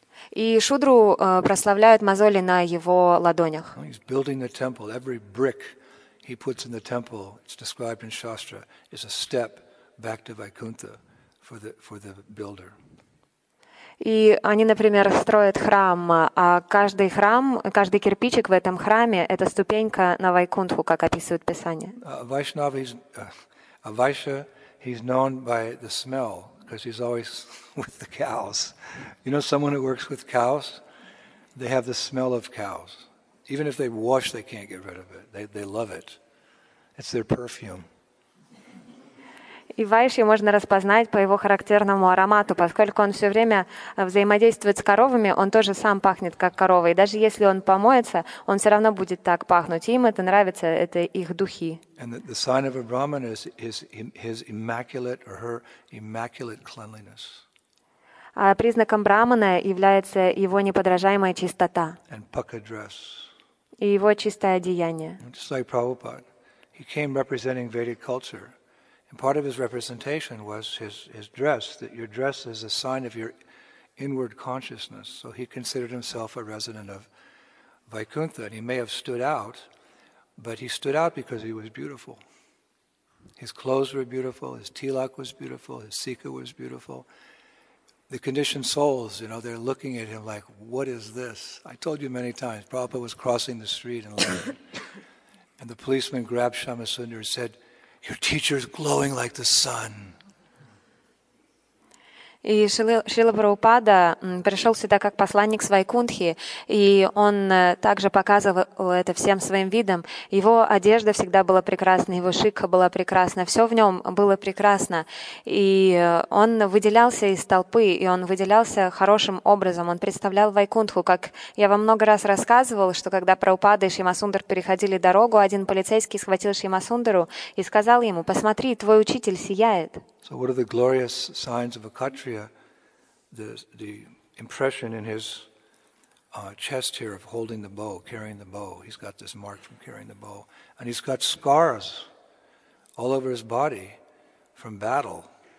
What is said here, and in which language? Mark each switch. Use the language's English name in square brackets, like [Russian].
[Russian] И шудру прославляют мозоли на его ладонях. [English] He's building the temple. Every brick he puts in the temple, it's described in Shastra, is a step back to Vaikuntha for the builder. [Russian] И они, например, строят храм, а каждый храм, каждый кирпичик в этом храме — это ступенька на Вайкунтху, как описывает Писание. [English] A Vaishnava, he's known by the smell, because he's always with the cows. You know someone who works with cows? They have the smell of cows. Even if they wash, they can't get rid of it. They love it. It's their perfume. [Russian] И Вайшью можно распознать по его характерному аромату, поскольку он все время взаимодействует с коровами, он тоже сам пахнет как корова. И даже если он помоется, он все равно будет так пахнуть. Им это нравится, это их духи. [English] And the sign of a Brahman is his immaculate or her immaculate cleanliness. [Russian] А признаком Брахмана является его неподражаемая чистота. [English] And pukka dress. [Russian] И его чистое одеяние. [English] Just like Prabhupada. He came representing Vedic culture. Part of his representation was his dress, that your dress is a sign of your inward consciousness. So he considered himself a resident of Vaikuntha. And he may have stood out, but he stood out because he was beautiful. His clothes were beautiful, his tilak was beautiful, his sikha was beautiful. The conditioned souls, you know, they're looking at him like, what is this? I told you many times, Prabhupada was crossing the street in London, and the policeman grabbed Shyamasundara and said, your teacher is glowing like the sun. [Russian] И Шрила Прабхупада пришел сюда как посланник Вайкунтхи, и он также показывал это всем своим видом. Его одежда всегда была прекрасна, его шикха была прекрасна, все в нем было прекрасно. И он выделялся из толпы, и он выделялся хорошим образом. Он представлял Вайкунтху, как я вам много раз рассказывал, что когда Прабхупада и Шримасундар переходили дорогу, один полицейский схватил Шримасундару и сказал ему, «Посмотри, твой учитель сияет». [English] So what are the glorious signs of a Kshatriya? The impression in his chest here of holding the bow, carrying the bow. He's got this mark from carrying the bow. And he's got scars all over his body from battle.